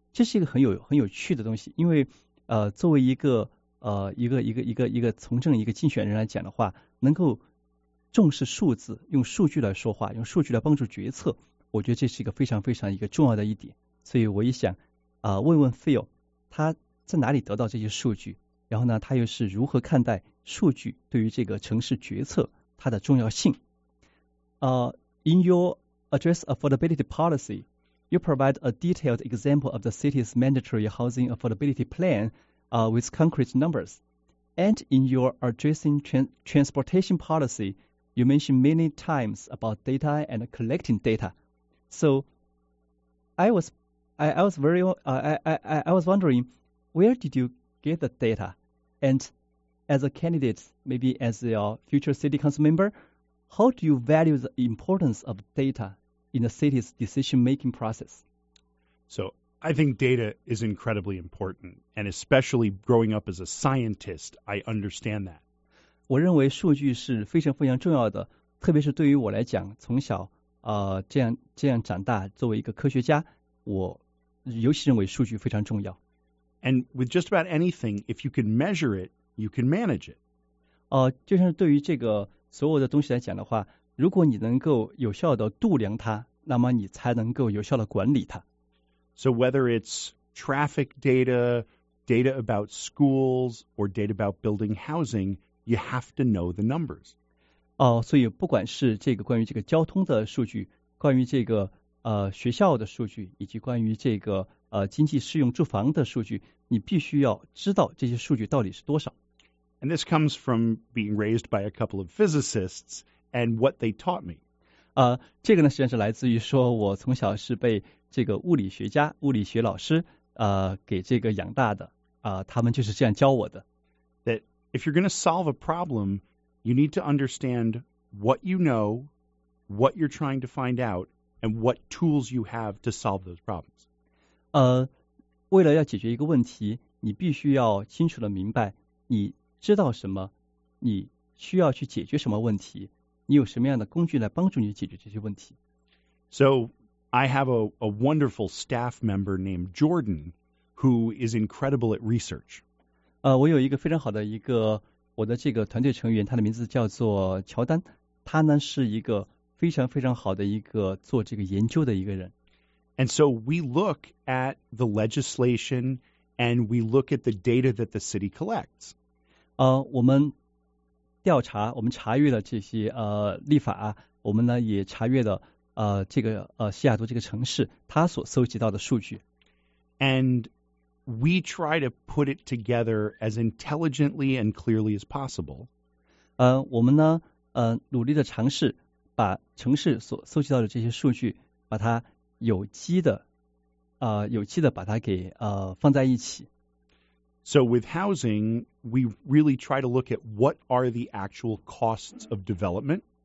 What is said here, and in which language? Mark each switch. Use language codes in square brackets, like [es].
[zh] 这是一个很有趣的东西，因为作为一个从政一个竞选人来讲的话，能够重视数字，用数据来说话，用数据来帮助决策，我觉得这是一个非常非常一个重要的一点。所以我也想问问 Phil， 他在哪里得到这些数据，然后呢他又是如何看待数据对于这个城市决策它的重要性。 [en] In your address affordability policy, you provide a detailed example of the city's mandatory housing affordability plan with concrete numbers. And in your addressing transportation policy, you mentioned many times about data and collecting data. So I was wondering, where did you get the data? And as a candidate, maybe as your future city council member, how do you value the importance of data in the city's decision-making process? So I think data is incredibly important, and especially growing up as a scientist, I understand that. [zh] 我认为数据是非常非常重要的，特别是对于我来讲，从小这样长大，作为一个科学家，我尤其认为数据非常重要。 [en] And with just about anything, if you can measure it, you can manage it. [zh] 就像对于这个所有的东西来讲的话，如果你能够有效的度量它，那么你才能够有效的管理它。 [en] So whether it's traffic data, data about schools, or data about building housing, you have to know the numbers. [zh] 所以不管是这个关于这个交通的数据，关于这个学校的数据，以及关于这个经济适用住房的数据，你必须要知道这些数据到底是多少。 [en] And this comes from being raised by a couple of physicists and what they taught me. [zh] 这个呢实际上是来自于说我从小是被这个物理学家物理学老师给这个养大的他们就是这样教我的。 [en] That if you're going to solve a problem, you need to understand what you know, what you're trying to find out, and what tools you have to solve those problems. [zh] 为了要解决一个问题，你必须要清楚地明白你知道什么，你需要去解决什么问题，你有什么样的工具来帮助你解决这些问题。 [en] So, I have a wonderful staff member named Jordan, who is incredible at research. [zh] 我有一个非常好的一个我的这个团队成员，他的名字叫做乔丹，他呢是一个非常非常好的一个做这个研究的一个人。 [en] And so we look at the legislation and we look at the data that the city collects. [zh] 我们调查，我们查阅了这些立法，我们呢也查阅了这个西雅图这个城市它所搜集到的数据。 [en] And we try to put it together as intelligently and clearly as possible. [zh] 我们呢努力的尝试把城市所搜集到的这些数据把它有机的把它给放在一起。 [en] So with housing, we really try to look at what are the actual costs of development.